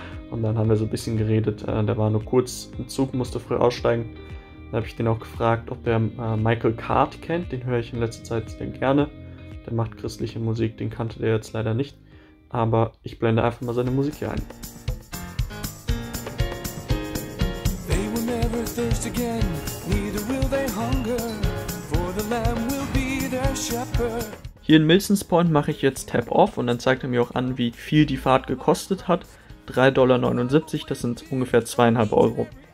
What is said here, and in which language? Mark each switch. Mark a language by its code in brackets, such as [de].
[de] Und dann haben wir so ein bisschen geredet, der war nur kurz im Zug, musste früh aussteigen. Dann habe ich den auch gefragt, ob der Michael Card kennt, den höre ich in letzter Zeit sehr gerne. Der macht christliche Musik, den kannte der jetzt leider nicht, aber ich blende einfach mal seine Musik hier ein. [en] Thirst again, neither will they hunger, for the Lamb will be their shepherd. [de] Hier in Milsons Point mache ich jetzt Tap Off und dann zeigt er mir auch an, wie viel die Fahrt gekostet hat. $3.79, das sind ungefähr 2,5 €.